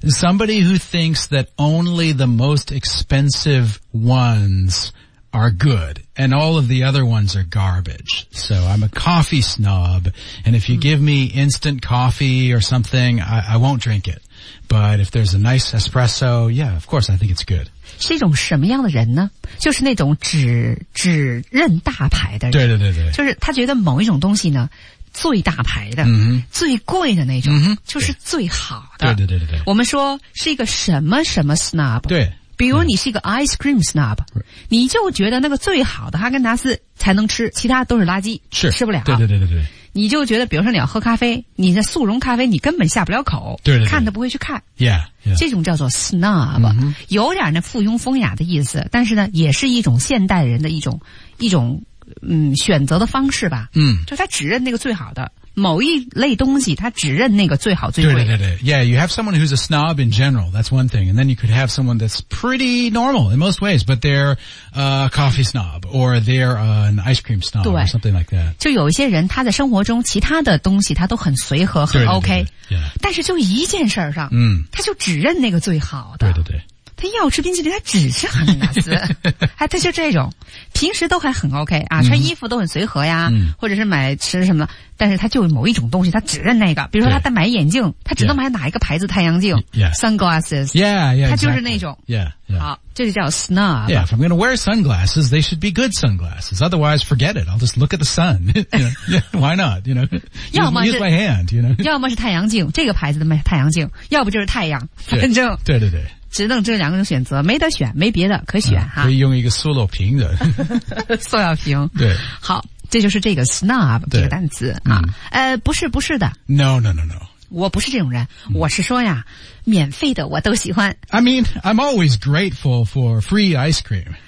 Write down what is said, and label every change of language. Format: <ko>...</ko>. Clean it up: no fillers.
<en>?Somebody who thinks that only the most expensive ones are good, and all of the other ones are garbage. So I'm a coffee snob, and if you、mm. give me instant coffee or something, I won't drink it. But if there's a nice espresso, yeah, of course I think it's good.</en> <zh>是一种什么样的人呢就是那种只认大牌的人。对对对对。就是他觉得某一种东西呢最大牌的、嗯、最贵的那种、嗯、就是最好的。对对对对。我们说是一个什么什么 snob。对。比如你是一个 ice cream snob、嗯。你就觉得那个最好的哈根达斯才能吃其他都是垃圾。是。吃不了。对对对对对。你就觉得比如说你要喝咖啡你的速溶咖啡你根本下不了口。对对对。看都不会去看。</zh> <en>Yeah, yeah.</en> <zh>这种叫做 snob,、嗯、有点那附庸风雅的意思但是呢也是一种现代人的一种嗯选择的方式吧。嗯。就他只认那个最好的。某一类东西他只认那个最好最贵。对对对。</zh> <en>Yeah, you have someone who's a snob in general, that's one thing. And then you could have someone that's pretty normal in most ways, but they're a coffee snob, or they're an ice cream snob, or something like that.</en> <zh>就有一些人他在生活中其他的东西他都很随和很 OK, 对对对、yeah. 但是就一件事儿上、嗯、他就只认那个最好的。对对对。他要吃冰淇淋他只吃哈根达斯。哎他就这种。平时都还很 OK, 啊穿衣服都很随和呀、嗯、或者是买吃什么的。但是他就某一种东西他只认那个。比如说他在买眼镜他只能买哪一个牌子太阳镜、</zh> <en>yeah. ,sunglasses. Yeah, yeah,</en> <zh>他就是那种。</zh> <en>Exactly. Yeah, yeah.</en> <zh>好这就叫 snob.</zh> <en>Yeah, if I'm gonna wear sunglasses, they should be good sunglasses. Otherwise, forget it. I'll just look at the sun. Yeah, why not? You know?</en> <zh>要么</zh> <en>use my hand, you know?</en> <zh>要么是太阳镜这个牌子的太阳镜要不就是太阳反正。对对对。只能这两个选择没得选没别的可选、啊、可以用一个塑料瓶的塑料瓶对好这就是这个 snob 这个单词、啊嗯、不是不是的</zh> <en>no no no no</en> <zh>我不是这种人、嗯、我是说呀免费的我都喜欢</zh> <en>I mean I'm always grateful for free ice cream</en>